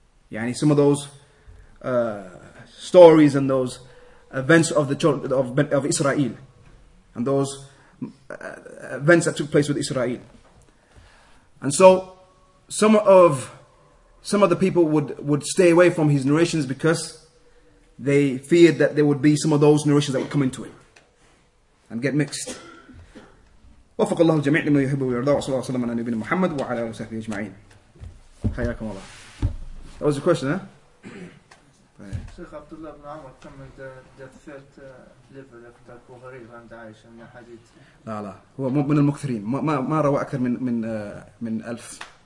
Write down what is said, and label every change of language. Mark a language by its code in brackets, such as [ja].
[en] Yani some of those stories and those events of the children of Israel, and those events that took place with Israel. And so some of the people would stay away from his narrations because they feared that there would be some of those narrations that would come into it and get mixed. [ar] وفق الله الجميع لما يحب ويرضى وصلى الله وسلم على نبينا محمد وعلى اله وصحبه اجمعين حياكم الله. [en] That was the question, huh? Sheikh Abdullah ibn Amr commented the third level of the Bukhari and Aisha in the hadith. [ar] لا لا هو مو من المكثرين ما روى أكثر من ألف.